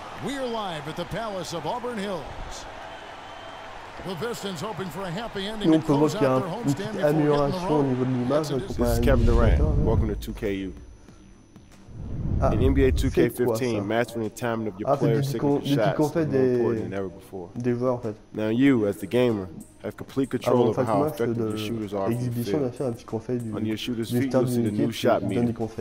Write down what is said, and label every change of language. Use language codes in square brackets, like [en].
[en] We are live at the Palace of Auburn Hills. The Pistons hoping for a happy ending. [fr] Nous pouvons voir qu'il y a une petite amélioration au niveau de l'image. [en] This is Kevin Durant. Welcome to 2KU. In NBA 2K15, mastering the timing of your player's signature shots is more important than ever before. [fr] Des joueurs, en fait. [en] Now you, as the gamer, have complete control of how effective your shooters are on the field. On your shooter's feet, you'll see the new shot meter.